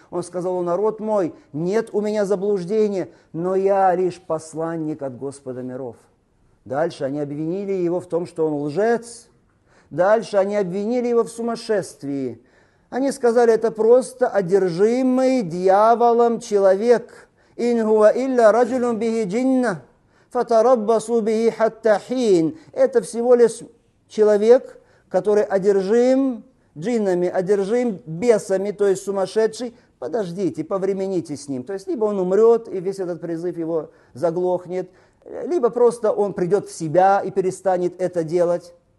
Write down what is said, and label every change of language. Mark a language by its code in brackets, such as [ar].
[ru] Он сказал: народ мой, нет у меня заблуждения, но я лишь посланник от Господа миров. Дальше они обвинили его в том, что он лжец. Дальше они обвинили его в сумасшествии. Они сказали: это просто одержимый дьяволом человек. [ar] إن هو إلا رجل به جنة فتربصوا به حتى حين. [ru] Это всего лишь человек, который одержим джиннами, одержим бесами, то есть сумасшедший. Подождите, повремените с ним. То есть либо он умрет, и весь этот призыв его заглохнет, либо просто он придет в себя и перестанет это делать.